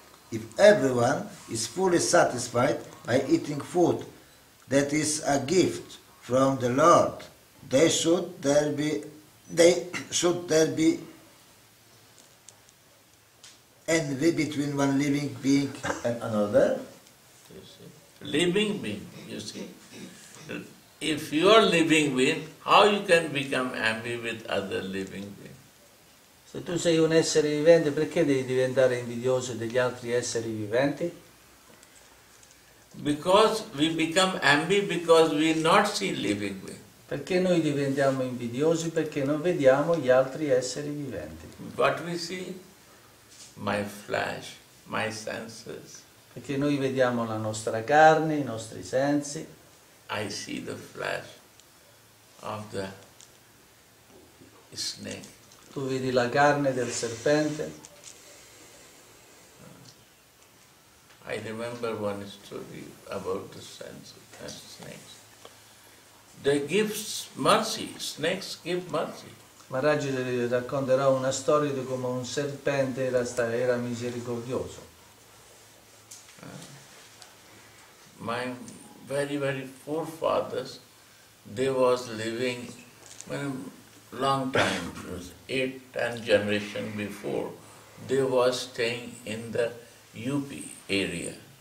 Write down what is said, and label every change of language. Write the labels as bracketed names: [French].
[English] If everyone is fully satisfied by eating food that is a gift from the Lord, should there be envy between one living being and another? Living being, you see. If you are living being, how you can become envy with other living being? [Italian] Se tu sei un essere vivente, perché devi diventare invidioso degli altri esseri viventi? [English] Because we become envy because we not see living being. [Italian] Perché noi diventiamo invidiosi? Perché non vediamo gli altri esseri viventi. [English] What we see? My flesh, my senses. [Italian] Perché noi vediamo la nostra carne, i nostri sensi. [English] I see the flesh of the snake. [Italian] Tu vedi la carne del serpente. [English] I remember one story about the snakes. They give mercy. Snakes give mercy. [Italian] Maharaj racconterà una storia di come un serpente era misericordioso. [English] My very very forefathers, they was living long time, 8-10 generation before, they was staying in the UP area.